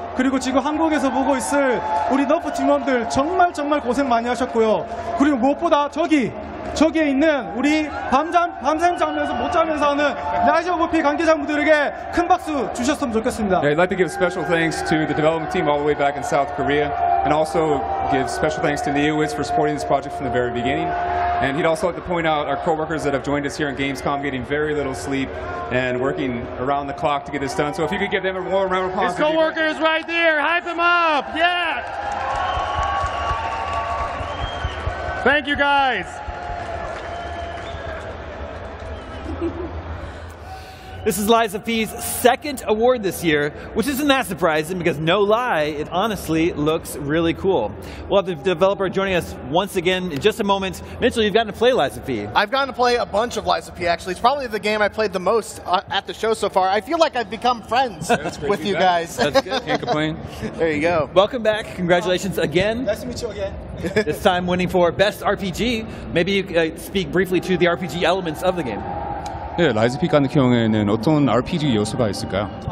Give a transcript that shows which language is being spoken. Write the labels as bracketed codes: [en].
[ko] 그리고 지금 한국에서 보고 있을 우리 너프 팀원들 정말 정말 고생 많이 하셨고요. 그리고 무엇보다 저기에 있는 우리 밤샘 자면서 못 자면서 하는 라이즈 오브 피 관계자분들에게 큰 박수 주셨으면 좋겠습니다. [en] Yeah, I'd like to give special thanks to the development team all the way back in South Korea, and also give special thanks to NeoWiz for supporting this project from the very beginning. And he'd also like to point out our coworkers that have joined us here in Gamescom, getting very little sleep and working around the clock to get this done. So if you could give them a warm round of applause. His coworkers right there, hype him up, yeah! Thank you guys. This is Liza P's second award this year, which isn't that surprising because, no lie, it honestly looks really cool. We'll have the developer joining us once again in just a moment. Mitchell, you've gotten to play Liza P. I've gotten to play a bunch of Liza P, actually. It's probably the game I played the most at the show so far. I feel like I've become friends with you guys. That's good. Can't complain. There you go. Welcome back. Congratulations again. Nice to meet you again. This time winning for Best RPG. Maybe you could speak briefly to the RPG elements of the game. [ko] 네, 라이즈 피 같은 경우에는 어떤 RPG 요소가 있을까요?